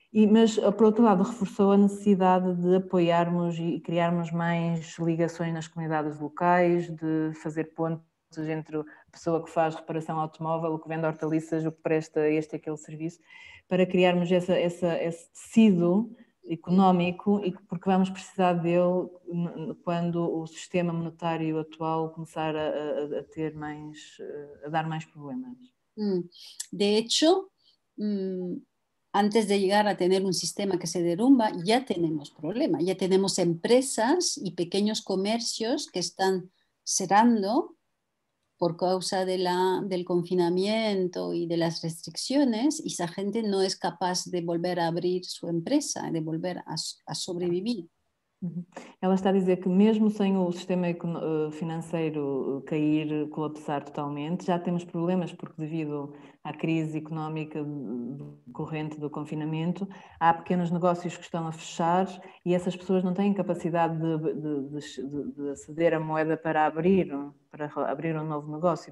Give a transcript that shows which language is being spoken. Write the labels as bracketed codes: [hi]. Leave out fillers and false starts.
[pt] Mas por outro lado reforçou a necessidade de apoiarmos e criarmos mais ligações nas comunidades locais, de fazer pontos entre a pessoa que faz reparação automóvel, o que vende hortaliças, o que presta este e aquele serviço, para criarmos esse tecido económico, e porque vamos precisar dele quando o sistema monetário atual começar a dar mais problemas. [es] De hecho, antes de llegar a tener un sistema que se derrumba, ya tenemos problemas. Ya tenemos empresas y pequeños comercios que están cerrando por causa del confinamiento y de las restricciones, y esa gente no es capaz de volver a abrir su empresa, de volver a sobrevivir. [pt] Ela está a dizer que mesmo sem o sistema financeiro cair, colapsar totalmente, já temos problemas, porque devido à crise económica corrente do confinamento, há pequenos negócios que estão a fechar e essas pessoas não têm capacidade de aceder à moeda para abrir um novo negócio.